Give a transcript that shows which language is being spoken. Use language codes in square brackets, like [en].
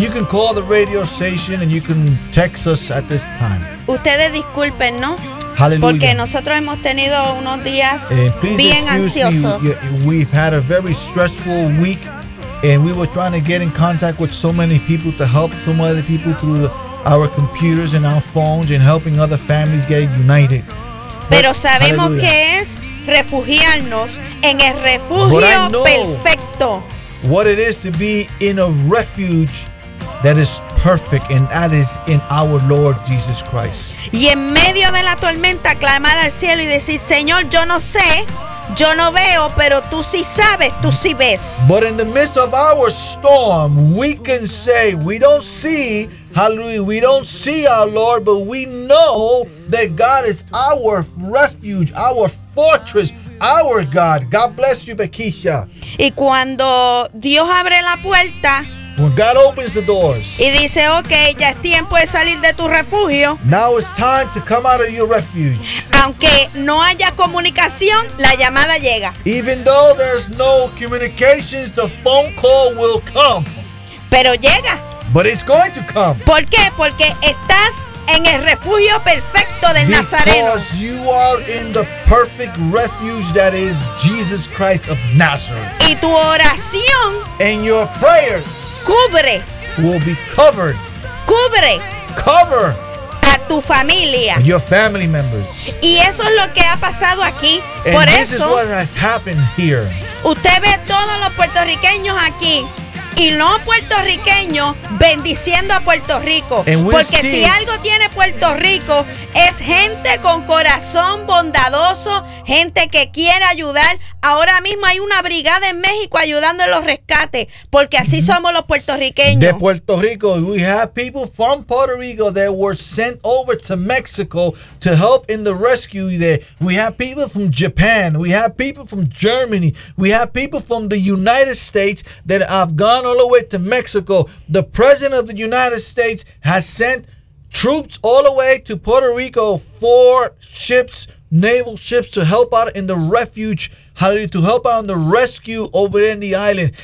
[en] You can call the radio station and you can text us at this time. [es] Ustedes disculpen, ¿no? Hallelujah. Porque nosotros hemos tenido unos días bien ansiosos. [en] We've had a very stressful week and we were trying to get in contact with so many people to help some other people through our computers and our phones and helping other families get united. [es] Pero sabemos que es refugiarnos en el refugio perfecto. [en] What it is to be in a refuge that is perfect, and that is in our Lord Jesus Christ. [es] Y en medio de la tormenta clamar al cielo y decir, Señor, yo no sé, yo no veo, pero tú sí sabes, tú sí ves. [en] But in the midst of our storm, we can say, we don't see, hallelujah, we don't see our Lord, but we know that God is our refuge, our fortress, our God. God bless you, Bekisha. [es] Y cuando Dios abre la puerta, [en] when God opens the doors, [es] y dice, okay, ya es tiempo de salir de tu refugio. [en] Now it's time to come out of your refuge. [es] Aunque no haya comunicación, la llamada llega. [en] Even though there's no communications, the phone call will come. [es] Pero llega. [en] But it's going to come. [es] ¿Por qué? Porque estás en el refugio perfecto del [en] because [es] Nazareno. [en] Because you are in the perfect refuge that is Jesus Christ of Nazareth. [es] Y tu oración [en] and your prayers [es] cubre [en] will be covered. [es] Cubre [en] cover [es] a tu familia. [en] Your family members. [es] Y eso es lo que ha pasado aquí. [en] And [es] por [en] this is what has happened here. [es] Usted ve todos los puertorriqueños aquí y no puertorriqueños bendiciendo a Puerto Rico. Porque si algo tiene Puerto Rico es gente con corazón bondadoso, gente que quiere ayudar. Ahora mismo hay una brigada en México ayudando en los rescates, porque así somos los puertorriqueños. De [en] Puerto Rico, we have people from Puerto Rico that were sent over to Mexico to help in the rescue there. We have people from Japan, we have people from Germany, we have people from the United States that have gone all the way to Mexico. The President of the United States has sent troops all the way to Puerto Rico, four ships, naval ships, to help out in the refuge, hallelujah, to help out in the rescue over in the island.